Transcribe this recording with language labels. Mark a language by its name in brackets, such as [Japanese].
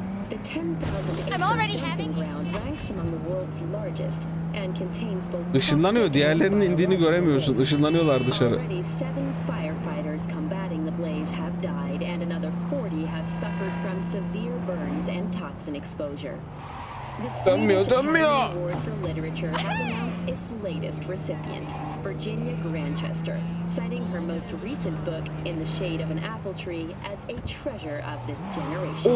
[English] The 10,000 acre dumping ground ranks among the world's largest and contains both. [Turkish] Işınlanıyor, diğerlerinin indiğini göremiyorsun. Işınlanıyorlar dışarı. [English] Already 7 firefighters combating the blaze have died, and another 40 have suffered from severe burns and toxin exposure. [Turkish] Dönmüyor. [English] Award for Literature has announced its latest recipient, Virginia Granchester, citing her most recent book, In the Shade of an Apple Tree, as a treasure of this generation.